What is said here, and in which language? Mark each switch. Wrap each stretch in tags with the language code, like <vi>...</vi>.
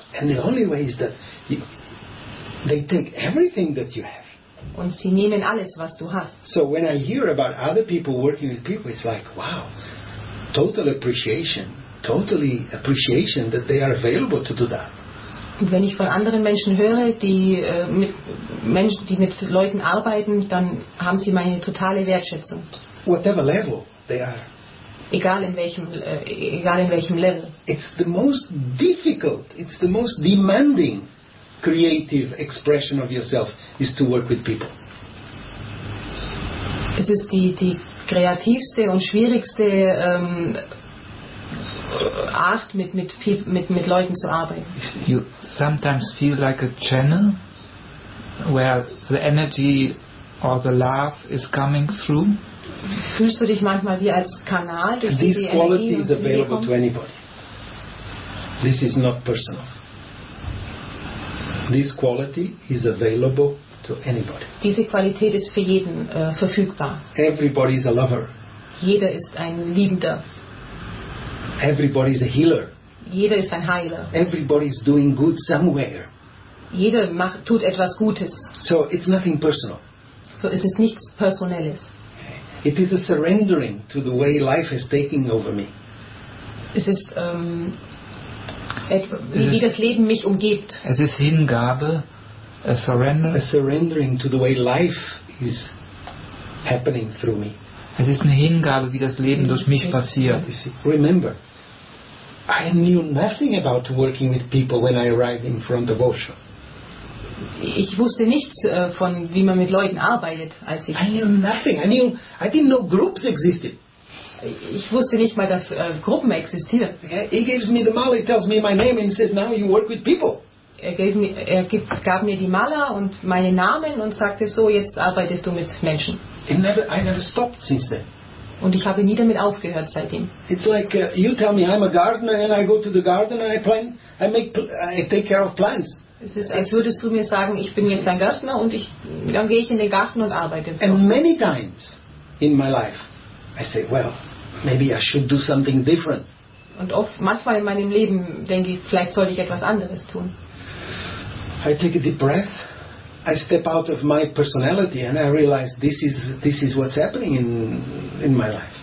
<en>And the only way is that they take everything that you have.</en> <de>Und sie nehmen alles, was du hast.</de> <en>So when I hear about other people working with people, it's like, wow, totally appreciation that they are available to do that.</en> <de>Und wenn ich von anderen Menschen höre, die mit Leuten arbeiten, dann haben sie meine totale Wertschätzung.</de> <en>Whatever level they are.</en> <de>Egal in welchem Level.</de> <en>It's the most difficult. It's the most demanding. Creative expression of yourself is to work with people.</en> <de>Es ist die kreativste und schwierigste Art, mit Leuten zu arbeiten.</de> <en>You sometimes feel like a channel where the energy or the love is coming through.</en> <de>Fühlst du dich manchmal wie als Kanal, durch</de> <en>this</en> <de>die</de> <en>quality</en> <de>Energie</de> <en>is available to anybody. This is not personal. This quality is available to anybody.</en> <de>Diese Qualität ist für jeden verfügbar.</de> <en>Everybody is a lover.</en> <de>Jeder ist ein Liebender.</de> <en>Everybody is a healer.</en> <de>Jeder ist ein Heiler.</de> <en>Everybody is doing good somewhere.</en> <de>Jeder tut etwas Gutes.</de> <en>So it's nothing personal.</en> <de>So es ist nichts Personelles.</de> <en>It is a surrendering to the way life is taking over me.</en> <de>Es ist wie das Leben mich umgibt. Es ist Hingabe,</de> <en>a surrender. A surrendering to the way life is happening through me.</en> <de>Es ist eine Hingabe, wie das Leben durch mich passiert.</de> <en>Remember, I knew nothing about working with people when I arrived in front of Osho.</en> <de>Ich wusste nichts von wie man mit Leuten arbeitet, als ich.</de> <en>I knew nothing. I didn't know groups existed.</en> <de>Ich wusste nicht mal, dass Gruppen existieren.</de> <en>He gives me the mala, he tells me my name and says, now you work with people.</en> <de>Er gab mir die Mala und meinen Namen und sagte so, jetzt arbeitest du mit Menschen.</de> <en>I never stopped since then.</en> <de>Und ich habe nie damit aufgehört seitdem.</de> <en>It's like you tell me I'm a gardener and I go to the garden and I take care of plants.</en> <de>Es ist, als würdest du mir sagen, ich bin jetzt ein Gärtner und dann gehe ich in den Garten und arbeite.</de> <en>And many times in my life. I say, well, maybe I should do something different.</en> <de>Und oft, manchmal in meinem Leben denke ich, vielleicht sollte ich etwas anderes tun.</de> <en>I take a deep breath. I step out of my personality and I realize this is what's happening in my life.</en>